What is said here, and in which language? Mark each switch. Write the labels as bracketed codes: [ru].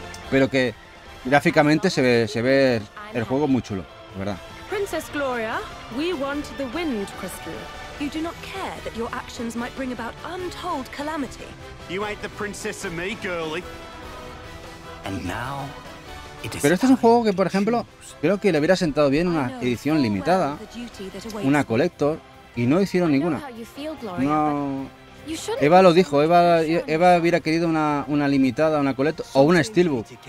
[es] Pero que gráficamente se ve el juego muy chulo, de verdad. [en] Princess Gloria, we want the wind crystal. You do not care that your actions might bring about untold calamity. You ain't the princess of me, girlie. And now. [es] Pero este es un juego que, por ejemplo, creo que le hubiera sentado bien una edición limitada, una collector, y no hicieron ninguna. No. Eva lo dijo, Eva hubiera querido una limitada, una collector, o una steelbook.